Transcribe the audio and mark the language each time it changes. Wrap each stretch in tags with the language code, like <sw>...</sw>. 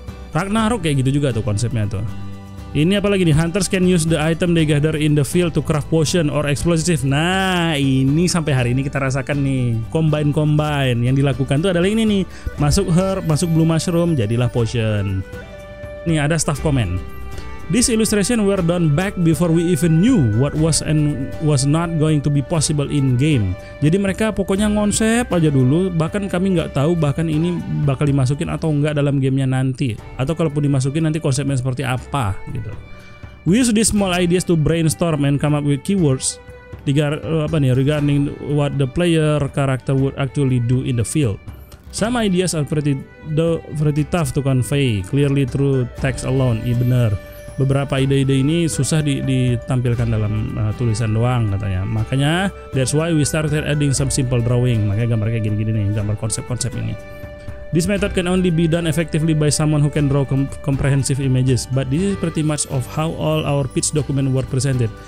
<id>Ragnarok kayak gitu juga tuh konsepnya tuh. Ini apalagi nih,</id> <en>hunters can use the item they gather in the field to craft potion or explosive.</en> <id>Nah, ini sampai hari ini kita rasakan nih, combine-combine yang dilakukan tuh adalah ini nih, masuk herb, masuk blue mushroom, jadilah potion. Nih ada</id> <en>staff comment. This illustration were done back before we even knew what was and was not going to be possible in game.</en> <id>Jadi mereka pokoknya ngonsep aja dulu, bahkan kami nggak tahu bahkan ini bakal dimasukin atau nggak dalam gamenya nanti, atau kalaupun dimasukin nanti konsepnya seperti apa gitu.</id> <en>We use these small ideas to brainstorm and come up with keywords regarding what the player character would actually do in the field. Some ideas are pretty tough to convey clearly through text alone.</en> <id>Iya benar. Beberapa ide-ide ini susah ditampilkan dalam tulisan doang katanya. Makanya</id> <en>that's why we started adding some simple drawing.</en> <id>Makanya gambar kayak gini-gini nih, gambar konsep-konsep ini.</id> <en>This method can only be done effectively by someone who can draw comprehensive images, but this is pretty much of how all our pitch document were presented.</en>